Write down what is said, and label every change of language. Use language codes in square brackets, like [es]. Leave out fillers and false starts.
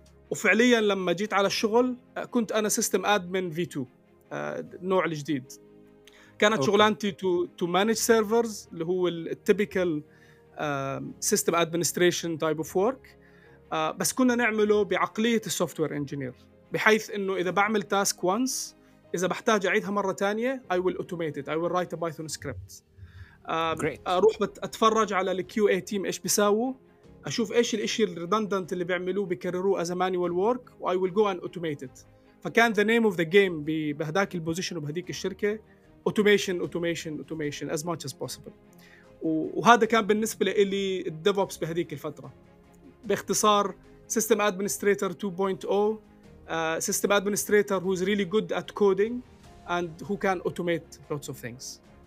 [ar] وفعليا لما جيت على الشغل كنت أنا سيستم أدمن V2 النوع الجديد، كانت شغلانتي [en] to manage servers [ar] اللي هو التيبيكال [en] system administration type of work، [ar] بس كنا نعمله بعقلية السوفتوير انجينير، بحيث انه اذا بعمل task once اذا بحتاج اعيدها مرة تانية [en] I will automate it, I will write a Python script. [ar] اروح اتفرج على الـ QA team ايش بيساووا، اشوف ايش الاشي الريدندنت اللي بيعملوه بيكرروه [en] as a manual work [ar] و [en] I will go and automate it. [ar] فكان [en] the name of the game [ar] بهداك البوزيشن وبهديك الشركة [en] automation automation automation as much as possible. [ar] وهذا كان بالنسبة لي الديفوبس بهذيك الفترة، باختصار System Administrator 2.0. [en] System Administrator who's really good at coding and who can automate lots of things.